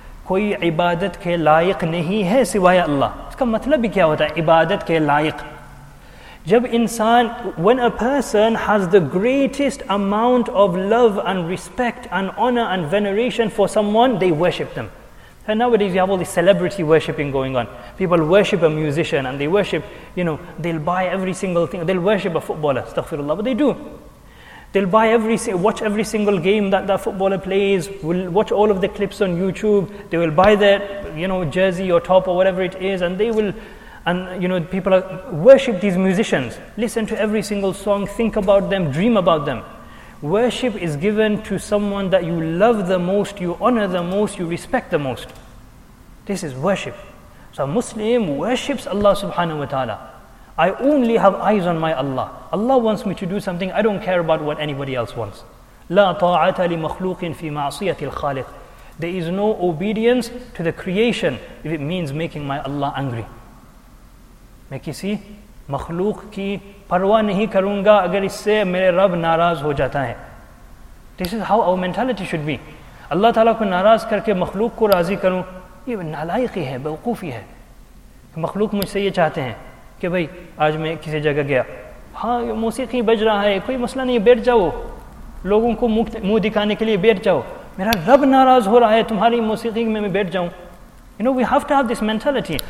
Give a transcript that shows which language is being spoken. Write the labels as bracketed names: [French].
[Urdu] کوئی عبادت کے لائق نہیں ہے سوائے اللہ۔ اس کا مطلب بھی کیا ہوتا ہے عبادت کے لائق؟ جب انسان، [English] when a person has the greatest amount of love and respect and honor and veneration for someone, they worship them. And nowadays you have all this celebrity worshiping going on. People worship a musician and they worship, you know, they'll buy every single thing. They'll worship a footballer, astaghfirullah, but they do. They'll buy watch every single game that the footballer plays, will watch all of the clips on YouTube. They will buy their, you know, jersey or top or whatever it is, and they will, and you know, people worship these musicians, listen to every single song, think about them, dream about them. Worship is given to someone that you love the most, you honor the most, you respect the most. This is worship. So a Muslim worships Allah subhanahu wa ta'ala. I only have eyes on my Allah. Allah wants me to do something, I don't care about what anybody else wants. [Arabic] لا طاعة لمخلوق في معصية الخالق. [English] There is no obedience to the creation if it means making my Allah angry. [Urdu] میں کسی مخلوق کی پرواہ نہیں کروں گا اگر اس سے میرے رب ناراض ہو جاتا ہے۔ [English] This is how our mentality should be. [Urdu] اللہ تعالیٰ کو ناراض کر کے مخلوق کو راضی کروں، یہ نالائقی ہے، بیوقوفی ہے۔ مخلوق مجھ سے یہ چاہتے ہیں کہ بھائی آج میں کسی جگہ گیا، ہاں موسیقی بج رہا ہے، کوئی مسئلہ نہیں، بیٹھ جاؤ، لوگوں کو منہ دکھانے کے لیے بیٹھ جاؤ، میرا رب ناراض ہو رہا ہے تمہاری موسیقی میں بیٹھ جاؤں۔ [English] You know, we have to have this mentality.